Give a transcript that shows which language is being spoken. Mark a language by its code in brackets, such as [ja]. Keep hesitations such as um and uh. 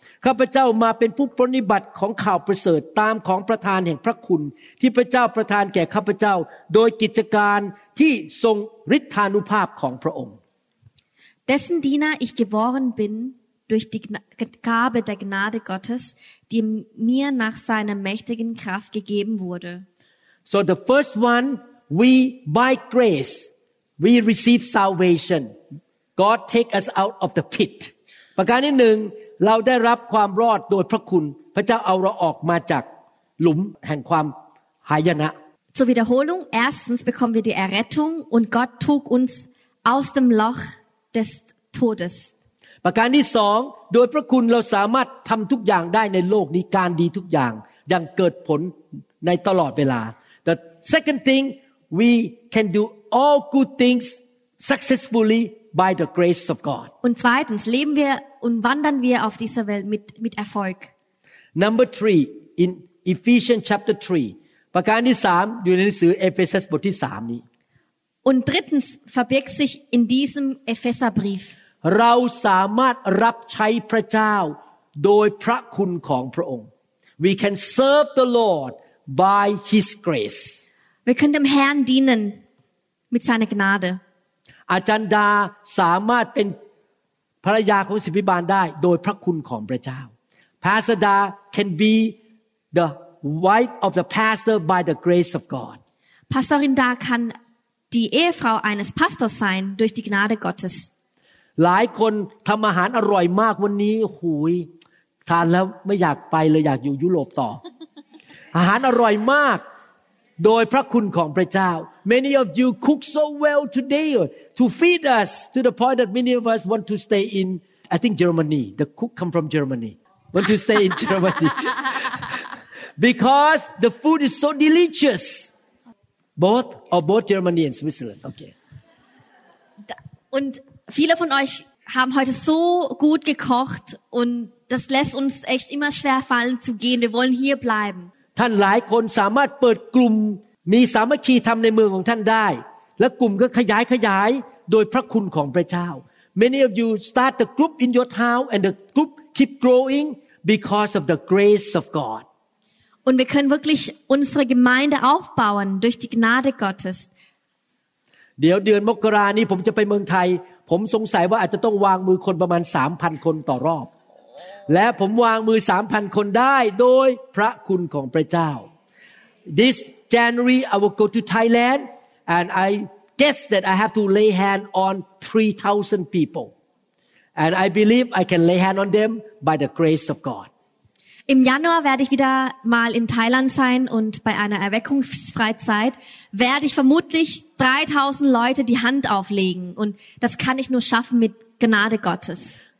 [th] ข้าพเจ้ามาเป็นผู้ปฏิบัติของข่าวประเสริฐตามของประธานแห่งพระคุณที่พระเจ้าประทานแก่ข้าพเจ้าโดยกิจการที่ทรงฤทธานุภาพของพระองค์ [de] dessen Diener ich geworden bin durch die Gabe der Gnade Gottes die mir nach seiner mächtigen Kraft gegeben wurde [en] so the first one we by grace we receive salvation God take us out of the pit [th] ประการที่หนึ่งเราได้รับความรอดโดยพระคุณพระเจ้าเอาเราออกมาจากหลุมแห่งความหายนะ [de] zur Wiederholung erstens bekommen wir die Errettung und Gott trug uns aus dem Loch des Todes [th] ประการที่สองโดยพระคุณเราสามารถทำทุกอย่างได้ในโลกนี้การดีทุกอย่าง ยังเกิดผลในตลอดเวลา [en] Second thing, we can do all good things successfully by the grace of God. [de] Und zweitens leben wir und wandern wir auf dieser Welt mit mit Erfolg. [en] Number three in Ephesians chapter three. [th] ประการที่สามอยู่ในหนังสือเอเฟซัสบทที่สามนี้ [de] Und drittens verbirgt sich in diesem Epheserbrief. [en] We can serve the Lord by His grace. [de] Wir können dem Herrn dienen mit seiner Gnade. [th] อาจารย์ดาสามารถเป็นภรรยาของสิบิบาลได้ โดยพระคุณของพระเจ้า [en] Pastor Da can be the wife of the pastor by the grace of God. [de] Pastorin Da kann die Ehefrau eines Pastors sein durch die Gnade Gottes. [th] หลายคนทำอาหารอร่อยมากวันนี้หุยทานแล้วไม่อยากไปเลยอยากอยู่ยุโรปต่อ อาหารอร่อยมากโดยพระคุณของพระเจ้า [en] many of you cook so well today to feed us to the point that many of us want to stay in I think Germany the cook come from Germany want to stay in Germany because the food is so delicious both of both Germany and Switzerland okay [de] und viele von euch haben heute so gut gekocht und das lässt uns echt immer schwer fallen zu gehen wir wollen hier bleiben [th] ท่านหลายคนสามารถเปิดกลุ่มมีสามัคคีทรรในเมืองของท่านได้ และกลุ่มก็ขยายขยายโดยพระคุณของพระเจ้า [en] many of you start the group in your town and the group keep growing because of the grace of God [de] und wir können wirklich unsere Gemeinde aufbauen durch die Gnade Gottes [th] เดี๋ยวเดือนมกรานี้ผมจะไปเมืองไทย ผมสงสัยว่าอาจจะต้องวางมือคนประมาณสามพันคนต่อรอบ [en] This January I will go to Thailand and I guess that I have to lay hand on 3,000 people and I believe I can lay hand on them by the grace of God. [de] Im Januar werde ich wieder mal in Thailand sein und bei einer Erweckungsfreizeit werde ich vermutlich 3000 Leute die Hand auflegen und das kann ich nur schaffen mit Gnade Gottes.